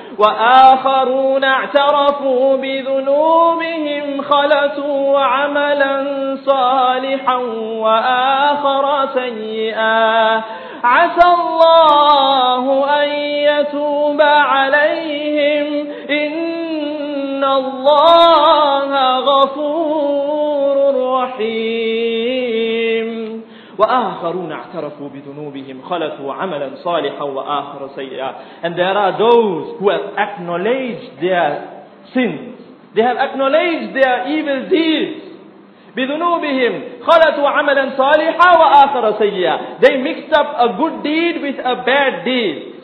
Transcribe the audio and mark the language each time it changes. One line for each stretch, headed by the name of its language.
Arabic: وَآخَرُونَ اَعْتَرَفُوا بِذُنُوبِهِمْ خَلَتُوا عَمَلًا صَالِحًا وَآخَرَ سَيِّئًا عَسَى اللَّهُ أَن يَتُوبَ عَلَيْهِمْ إِنَّ اللَّهَ غَفُورٌ رَحِيمٌ وآخرون اعترفوا بذنوبهم خلطوا عملا صالحا وآخر سيئا.
English: And there are those who have acknowledged their sins. They have acknowledged their evil deeds.
Arabic: بذنوبهم خلطوا عملا صالحا وآخر سيئا.
English: They mixed up a good deed with a bad deed.